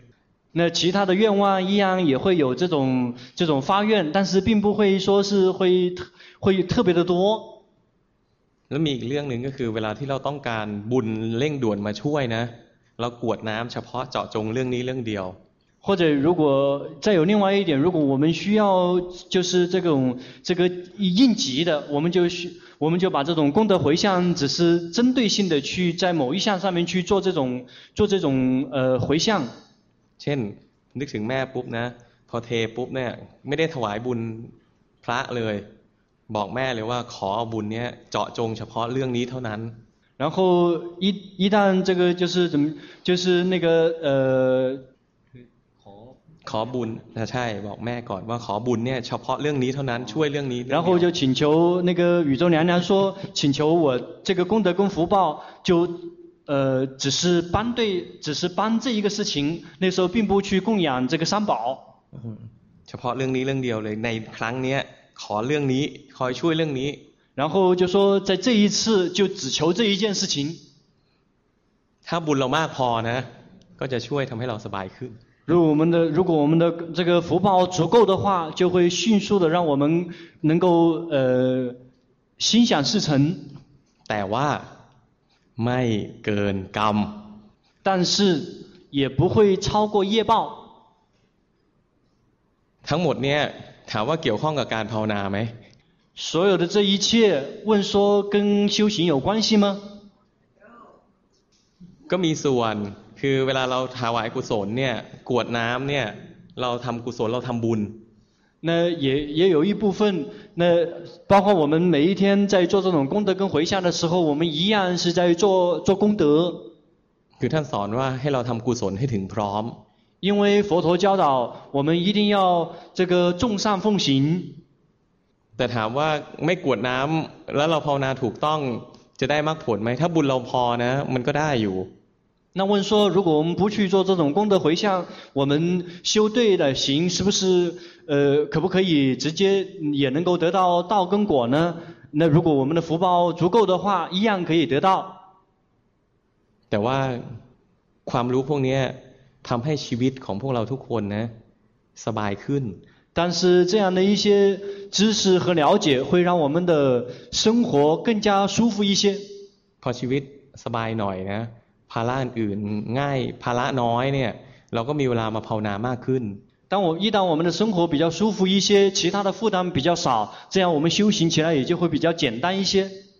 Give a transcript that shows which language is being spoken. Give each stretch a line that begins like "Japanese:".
Chinese: ๆ那其他的愿望一样也会有这种发愿但是并不会说是会特别的多
Thai: แล้วมีอีกเรื่องหนึ่งก็คือเวลาที่เราต้องการบุญเร่งด่วนมาช่วยนะเรากวดน้ำเฉพาะเจาะจงเรื่องนี้เรื่องเดียว
Chinese: 或者如果再有另外一点如果我们需要就是这个应急的我们就把这种功德回向只是针对性的去在某一项上面去做这种回向
Thai: เช่นนึกถึงแม่ปุ๊บนะพอเทปุ๊บเนี่ยไม่ได้ถวายบุญพระเลยบอกแม่เลยว่าขอเอาบุญเนี้ยเจาะจงเฉพาะเรื่องนี้เท่านั้น
Chinese: 然后一旦这个就是怎么就是那个
Thai: ขอบุญนะใช่บอกแม่ก่อนว่าขอบุญเนี่ยเฉพาะเรื่องนี้เท่านั้นช่วยเรื่องนี้
Chinese: 然后就请求那个宇宙娘娘说请求我这个功德跟福报就只是帮这一个事情那时候并不去供养这个三宝
Thai: เฉพาะเรื่องนี้เรื่องเดียวเลยในครั้งเนี้ยขอเรื่องนี้คอยช่วยเรื่องนี้
Chinese: 然后就说在这一次就只求这一件事情
Thai: ถ้าบุญเรามากพอนะก็จะช่วยทำให้เราสบายขึ้น
Chinese: รู้我们的这个福报足够的话就会迅速的让我们能够心想事成
Thai: แต่ว่าไม่เกินกรรม
Chinese: 但是也不会超过业报
Thai: ทั้งหมดเนี่ยถามว่าเกี่ยวข้องกับการภาวนาไหม
Chinese: 所有的这一切问说跟修行有关系吗
Thai: ก็มีส่วนคือเวลาเราถวายกุศลเนี่ยกวดน้ำเนี่ยเราทำกุศลเราทำบุญ
Chinese: 那也有一部分那包括我们每一天在做这种功德跟回向的时候我们一样是在做功德
Thai: คือท่านสอนว่าให้เราทำกุศลให้ถึงพร้อม
Chinese: 因为佛陀教导我们一定要这个众善奉行
Thai: แต่ถามว่าไม่กวดน้ำแล้วเราภาวนาถูกต้องจะได้มรรคผลไหมถ้าบุญเราพอนะมันก็ได้อยู่
Chinese: 那问说如果我们不去做这种功德回向我们修对的行是不是可不可以直接也能够得到道跟果呢那如果我们的福报足够的话一样可以得到
Thai: แต่ว่าความรู้พวกนี้ทำให้ชีวิตของพวกเราทุกคนนะสบายขึ้น
Chinese: 但是这样的一些知识和了解会让我们的生活更加舒服一些
Thai: พอชีวิตสบายหน่อยนะภาระอื่นง่ายภาระน้อยเนี่ยเราก็มีเวลามาภาวนามากขึ้น
Chinese: 一旦我们的生活比较舒服一些其他的负担比较少这样我们修行起来也就会比较简单一些